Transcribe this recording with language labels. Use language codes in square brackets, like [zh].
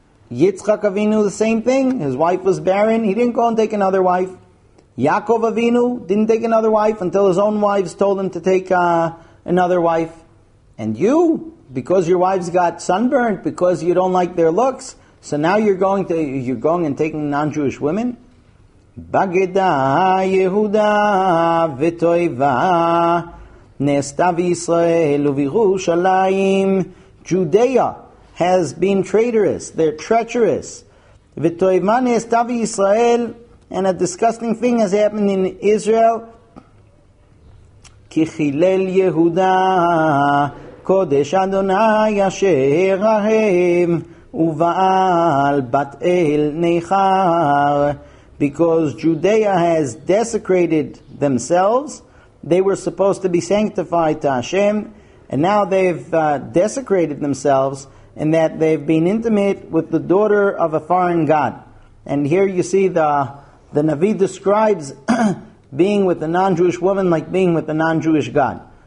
[en] Yitzchak Avinu, the same thing. His wife was barren. He didn't go and take another wife. Yaakov Avinu didn't take another wife until his own wives told him to take another wife. And you, because your wives got sunburned, because you don't like their looks, so now you're going and taking non-Jewish women? [he] בגדה יהודה ותויבה, נעשתה בישראל ובירושלים. [en] Judea has been traitorous, they're treacherous. [he] ותויבה נעשתה בישראל, [en] and a disgusting thing has happened in Israel. [he] כי חילל יהודה קודש אדוני אשר אהב, ובעל בת אל נחר. [en] Because Judea has desecrated themselves, they were supposed to be sanctified to Hashem, and now they've desecrated themselves in that they've been intimate with the daughter of a foreign god. And here you see the Navi describes being with a non-Jewish woman like being with a non-Jewish god.